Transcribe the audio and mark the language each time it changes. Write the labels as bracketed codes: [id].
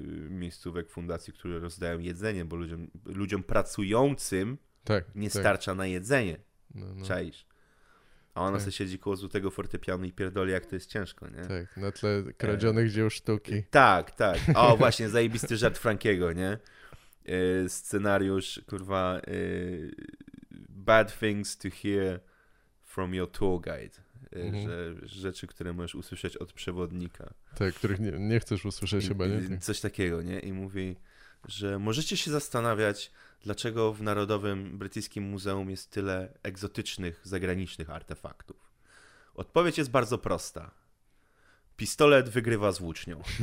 [pl] miejscówek fundacji, które rozdają jedzenie, bo ludziom pracującym tak, nie tak starcza na jedzenie, no, no. Czaisz? A ona tak sobie siedzi koło złotego fortepianu i pierdoli, jak to jest ciężko, nie? Tak, na tle kradzionych dzieł sztuki. Tak, tak. O, właśnie, zajebisty żart Frankiego, nie? Scenariusz, kurwa... [en] Bad things to hear from your tour guide. Mhm. [pl] Że rzeczy, które możesz usłyszeć od przewodnika. Tak, których nie chcesz usłyszeć chyba, nie? Coś takiego, nie? I mówi, że możecie się zastanawiać, dlaczego w Narodowym Brytyjskim Muzeum jest tyle egzotycznych, zagranicznych artefaktów. Odpowiedź jest bardzo prosta. Pistolet wygrywa z włócznią.